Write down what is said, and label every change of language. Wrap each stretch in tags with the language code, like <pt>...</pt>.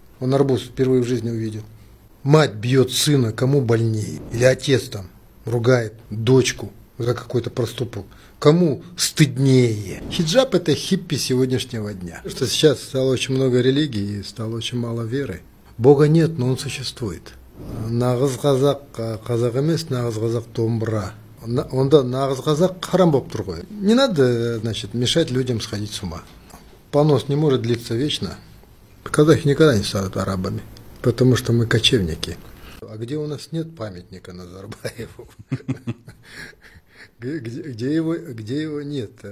<ru>Он арбуз впервые в жизни увидел. Мать бьет сына, кому больнее? Или отец там ругает дочку за какой-то проступок? Кому стыднее? Хиджаб – это хиппи сегодняшнего дня. Что сейчас стало очень много религии и стало очень мало веры. Бога нет, но он существует.</ru> <kk>Нағыз қазақ қазақ емес, нағыз қазақ домбыра. Онда нағыз қазақ харам боп тұр ғой.</kk> <ru>Не надо, значит, мешать людям сходить с ума. Понос не может длиться вечно. Казахи никогда не станут арабами, потому что мы кочевники. А где у нас нет памятника Назарбаеву? Где его нет?</ru>